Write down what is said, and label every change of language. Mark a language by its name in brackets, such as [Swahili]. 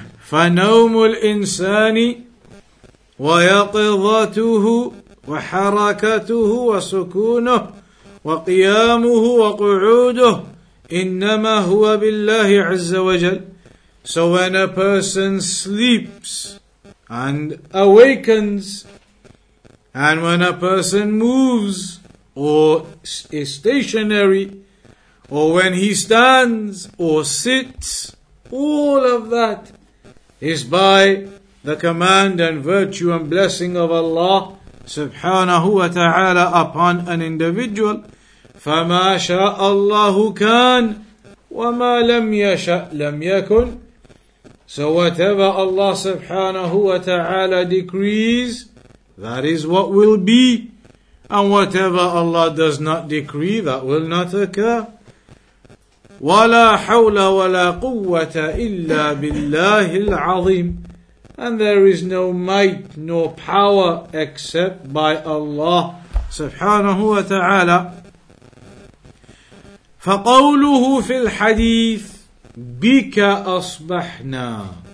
[Arabic] فَنَوْمُ الْإِنسَانِ وَيَقِظَتُهُ وَحَرَكَتُهُ وَسُكُونُهُ وقيامه وقعوده إنما هو بالله عز وجل. [English] So when a person sleeps and awakens, and when a person moves or is stationary, or when he stands or sits, all of that is by the command and virtue and blessing of Allah subhanahu wa ta'ala upon an individual. [Arabic] فَمَا شَاءَ اللَّهُ كَانَ وَمَا لَمْ يَشَأْ لَمْ يَكُنْ. [English] So whatever Allah subhanahu wa ta'ala decrees, that is what will be. And whatever Allah does not decree, that will not occur. [Arabic] وَلَا حَوْلَ وَلَا قُوَّةَ إِلَّا بِاللَّهِ الْعَظِيمِ. [English] And there is no might nor power except by Allah subhanahu wa ta'ala. [Arabic] فقوله في الحديث بك أصبحنا.